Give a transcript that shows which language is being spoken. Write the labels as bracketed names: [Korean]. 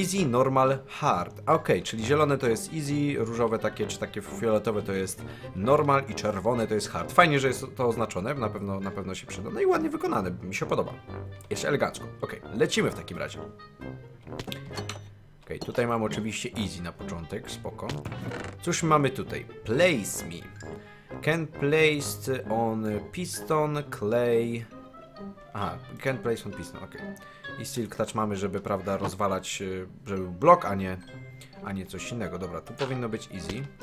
[Polish] Easy, normal, hard. Okej, czyli zielone to jest easy, różowe takie, czy takie fioletowe to jest normal i czerwone to jest hard. Fajnie, że jest to oznaczone, na pewno się przyda. No i ładnie wykonane, mi się podoba. Jest elegancko. Okej, okay. Lecimy w takim razie. Okej, tutaj mam oczywiście easy na początek, spoko. Cóż mamy tutaj? [English] Place me. Can place on piston, clay. Aha, can place on piston, okej. [Polish] Okay. I silk touch mamy, żeby, prawda, rozwalać, żeby był blok, a nie coś innego. Dobra, tu powinno być easy.